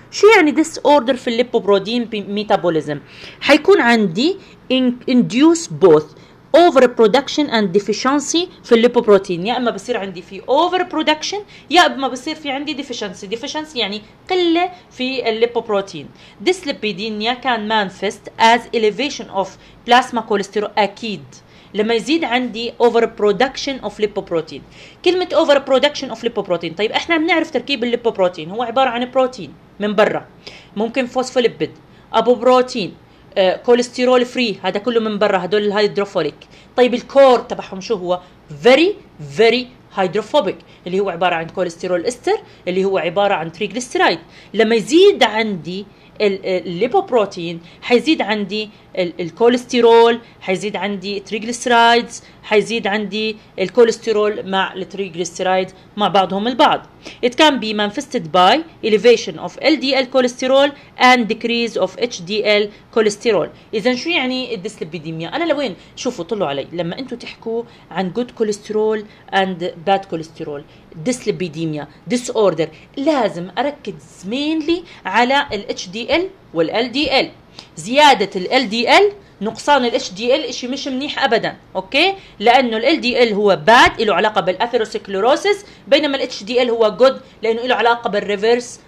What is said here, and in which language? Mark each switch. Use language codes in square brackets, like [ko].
[ar] شو يعني ديس اوردر في الليبوبروتين ميتابوليزم؟ حيكون عندي انديوس بوث [en] overproduction and deficiency [ar] في الليبوبروتين، يا اما بصير عندي في overproduction يا اما بصير في عندي deficiency. deficiency يعني قله في الليبوبروتين. [en] dyslipidemia can manifest as elevation of plasma cholesterol، [ar] اكيد لما يزيد عندي [en] overproduction of lipoprotein. [ar] كلمه [en] overproduction of lipoprotein، [ar] طيب احنا بنعرف تركيب الليبوبروتين هو عباره عن بروتين من برا، ممكن فوسفوليبيد، ابو بروتين، كوليسترول فري، هذا كله من برا، هدول الهيدروفوليك. طيب الكور تبعهم شو هو؟ [en] very very hydrophobic، [ar] اللي هو عبارة عن كوليسترول استر، اللي هو عبارة عن تريجليسرايد. لما يزيد عندي الليبوبروتين حيزيد عندي الكوليسترول، حيزيد عندي تريجليسرايدز، حيزيد عندي الكوليسترول مع التريجليسرايد مع بعضهم البعض. [en] It can be manifested by elevation of LDL cholesterol and decrease of HDL cholesterol. [ar] إذا شو يعني الديسليبيديميا؟ أنا لوين؟ شوفوا طلعوا علي، لما أنتوا تحكوا عن [en] good cholesterol and bad cholesterol، [ar] ديسليبيديميا، disorder، لازم أركز mainly على ال HDL وال LDL. زيادة ال LDL نقصان ال HDL إشي مش منيح أبداً، أوكي؟ لأنه ال LDL هو bad، إله علاقة بالأثيروسكليروسيس، بينما ال HDL هو good لأنه إله علاقة بالreverse